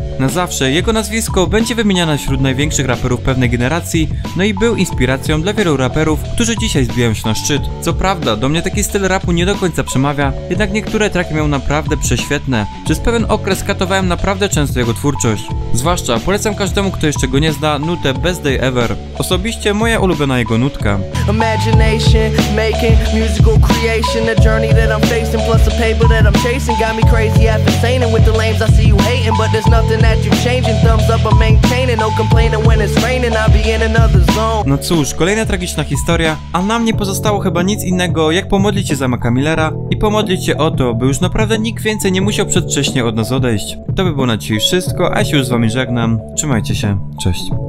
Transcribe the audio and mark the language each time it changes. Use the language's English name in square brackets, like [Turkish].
[Polish] Na zawsze jego nazwisko będzie wymieniane wśród największych raperów pewnej generacji, no i był inspiracją dla wielu raperów, którzy dzisiaj zbijają się na szczyt. Co prawda, do mnie taki styl rapu nie do końca przemawia, jednak niektóre traki miał naprawdę prześwietne. Przez pewien okres katowałem naprawdę często jego twórczość. Zwłaszcza polecam każdemu, kto jeszcze go nie zna, nutę Best Day Ever. Osobiście moja ulubiona jego nutka. [English] Imagination, making musical creation, the journey that I'm facing, plus the paper that I'm chasing, got me crazy after saying it with the lames, I see you hating, but there's nothing that you're changing, thumbs up, I'm maintaining, no complaining when it's raining, I'll be in another zone. [Polish] No cóż, kolejna tragiczna historia, a nam nie pozostało chyba nic innego, jak pomodlić się za Maca Millera i pomodlić się o to, by już naprawdę nikt więcej nie musiał przedwcześnie od nas odejść. To by było na dzisiaj wszystko, a ja się już z wami żegnam. Trzymajcie się, cześć.